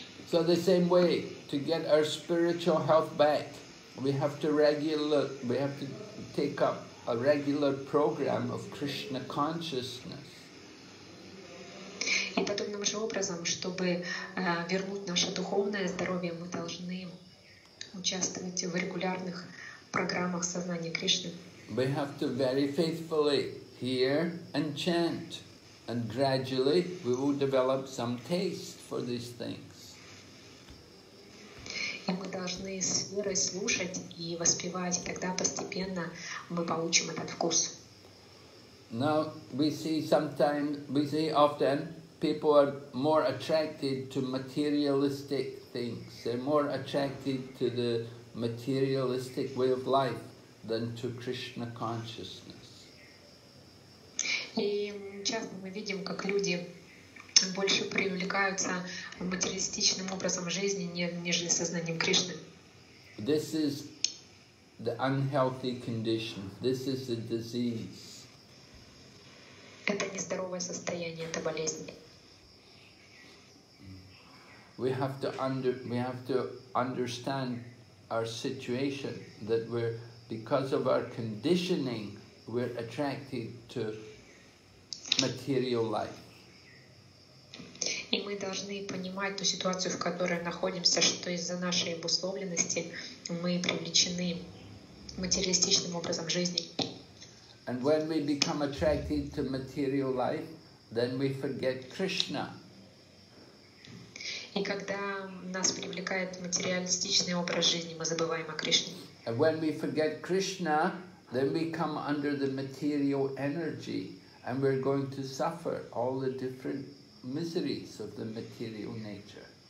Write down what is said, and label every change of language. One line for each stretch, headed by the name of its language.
English: So the same way, to get our spiritual health back, we have to take up a regular program of Krishna consciousness.
Russian: И подобным же образом, чтобы вернуть наше духовное здоровье, мы должны участвовать в регулярных программах сознания Кришны.
English: We have to very faithfully hear and chant, and gradually we will develop some taste for these things.
Russian: И мы должны с верой слушать и воспевать, и тогда постепенно мы получим этот вкус.
English: Now we see often people are more attracted to materialistic things. They're more attracted to the materialistic way of life than to Krishna consciousness.
Russian: И часто мы видим, как люди больше привлекаются материалистичным образом жизни, нежели сознанием Кришны.
English: This is the unhealthy condition. This is a disease.
Russian: Это нездоровое состояние, это болезнь.
English: We have to understand our situation, that we're, because of our conditioning, we're attracted to material life.
Russian: И мы должны понимать ту ситуацию, в которой находимся, что из-за нашей обусловленности мы привлечены материалистичным образом жизни.
English: And when we become attracted to material life, then we forget Krishna.
Russian: И когда нас привлекает материалистичный образ жизни, мы забываем о Кришне.
English: And when we forget Krishna, then we come under the material energy, and we're going to suffer all the different miseries of the material nature.